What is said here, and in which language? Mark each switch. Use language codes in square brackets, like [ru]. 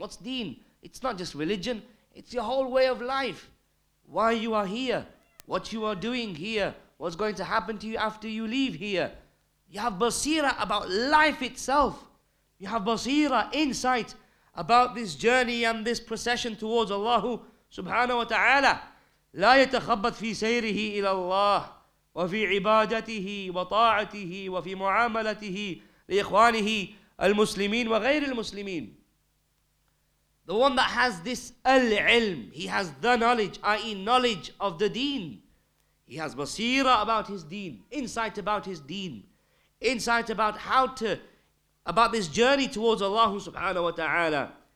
[en] What's deen? It's not just religion. It's your whole way of life. Why you are here. What you are doing here. What's going to happen to you after you leave here. You have basira about life itself. You have basira, insight about this journey and this procession towards Allah subhanahu wa ta'ala. [ar] لا يتخبط في سيره إلى الله وفي عبادته وطاعته وفي معاملته لإخوانه المسلمين وغير المسلمين. [en] The one that has this al-ilm, he has the knowledge, i.e. knowledge of the deen. He has basira about his deen, insight about his deen, insight about about this journey towards Allah subhanahu wa ta'ala.